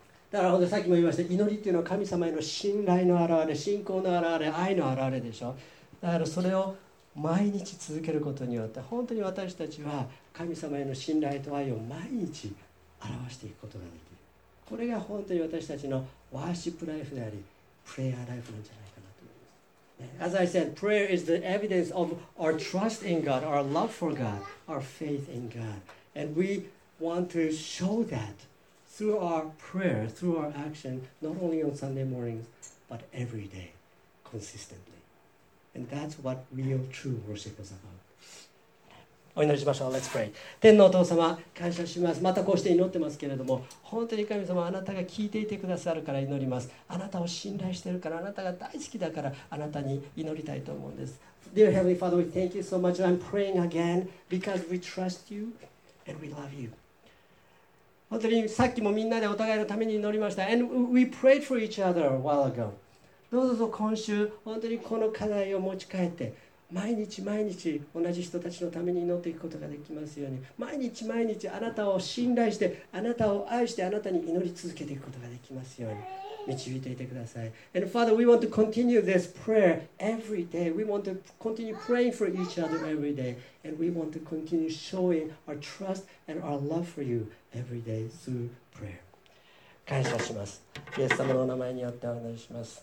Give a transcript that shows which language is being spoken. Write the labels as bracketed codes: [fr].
[ja] だから本当さっきも言いました祈りっていうのは神様への信頼の表れ、信仰の表れ、愛の表れでしょ。だからそれを毎日続けることによって本当に私たちは神様への信頼と愛を毎日表していくことができる。これが本当に私たちのワーシップライフであり、プレイヤーライフなんじゃないかなと思います。 [en] As I said, prayer is the evidence of our trust in God, our love for God, our faith in God. And we want to show that through our prayer, through our action, not only on Sunday mornings, but every day, consistently. And that's what real true worship is about. [ja] お祈りしましょう。 [en] Let's pray. [ja] 天のお父様、感謝します。またこうして祈ってますけれども、本当に神様、あなたが聞いていてくださるから祈ります。あなたを信頼しているから、あなたが大好きだから、あなたに祈りたいと思うんです。 [en] Dear Heavenly Father, we thank you so much. I'm praying again because we trust you and we love you. [ja] 本当にさっきもみんなでお互いのために祈りました。 [en] And we prayed for each other a while ago. [ja] どうぞ今週、本当にこの課題を持ち帰って、毎日毎日同じ人たちのために祈っていくことができますように、毎日毎日あなたを信頼して、あなたを愛して、あなたに祈り続けていくことができますように導いていてください。 [en] And Father, we want to continue this prayer every day. We want to continue praying for each other every day. And we want to continue showing our trust and our love for you every day through prayer. [ja] 感謝します。イエス様のお名前によってお祈りします。